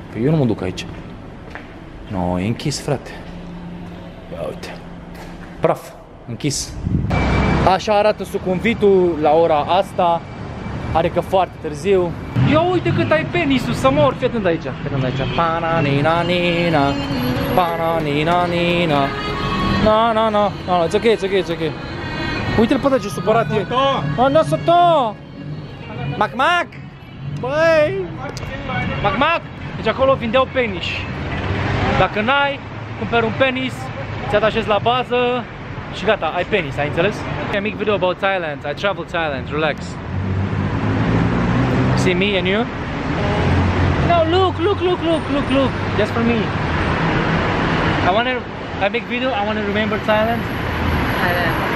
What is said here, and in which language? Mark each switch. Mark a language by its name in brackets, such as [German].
[Romanian] Păi eu nu mă duc aici. Nu, [English] no, [Romanian] e închis, frate. Ia uite. Praf, închis. Așa arată sucumbitul la ora asta. Are că foarte târziu. Ia uite cât ai penisul, să mor, fii atent aici. Fii atent aici. Pananina-nina. Pananina-nina. [English] Na, na, na, na, na, it's ok, it's ok, it's ok. [Romanian] Uite-l pe ăla ce supărat e. Anasă-tă! Mac-mac! Băi! Mac-mac! Deci acolo vindeau penis. Dacă n-ai, cumperi un penis, ți-a atașez la bază și gata, ai penis, ai înțeles? [English] A mic video about Thailand, I travel Thailand, relax. See me and you? No, look, look, look, look, look, look. Just for me. I make video, I want to remember Thailand. Thailand.